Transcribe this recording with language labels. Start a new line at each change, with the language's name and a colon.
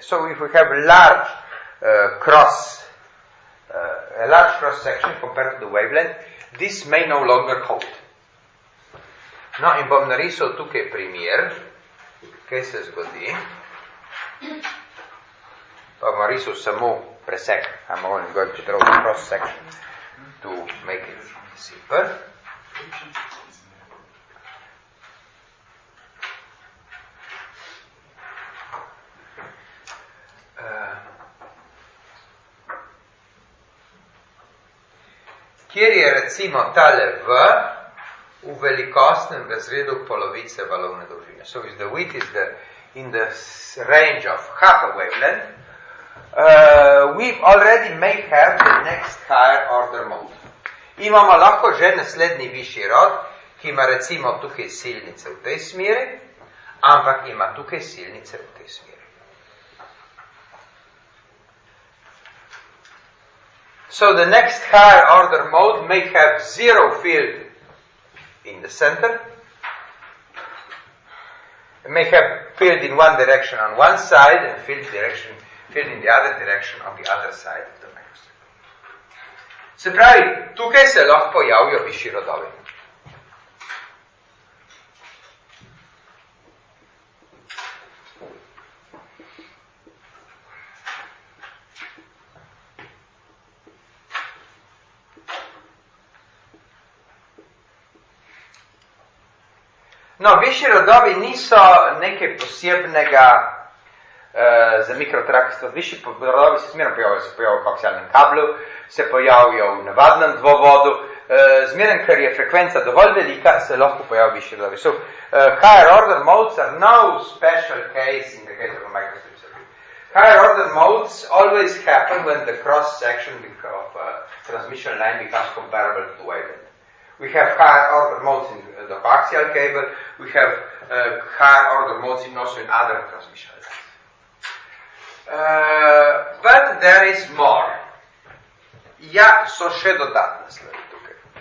English: So if we have large cross section compared to the wavelength, this may no longer hold.
Slovenian: No, in bom narisal tukaj primer, kaj se zgodi. of Marisus Samu per sec.
English: I'm only going to draw the cross section to make it simpler.
Slovenian: Kjer je recimo tale V v velikostnem razredu polovice valovne dolžine.
English: So is the width is the in the range of half a wavelength. We already may have the next higher order mode.
Slovenian: Imamo lahko že naslednji višji rod, ki ima recimo tukaj silnice v tej smeri, ampak ima tukaj silnice v tej smeri.
English: So the next higher order mode may have zero field in the center. It may have field in one direction on one side and field in the other direction on the other side of the microscope.
Slovenian: Se pravi, tukaj se lahko pojavijo višji rodovi. No, višji rodovi niso nekaj posebnega za mikrotrakstvo. Višji rodovi se zmerno pojavljajo, se pojavljajo v koaksialnem kablu, se pojavljajo v navadnem dvovodu. Zmerno, ker je frekvenca dovolj velika, se lahko pojavljajo višji rodovi.
English: So, higher order modes are no special case in the case of a microstrip circuit. Higher order modes always happen when the cross section of a transmission line becomes comparable to the wavelength. We have higher order modes in the coaxial cable. We have higher order modes in also in other transmission lines. But there is more.
Slovenian: Ja, so še dodatne stvari tukaj.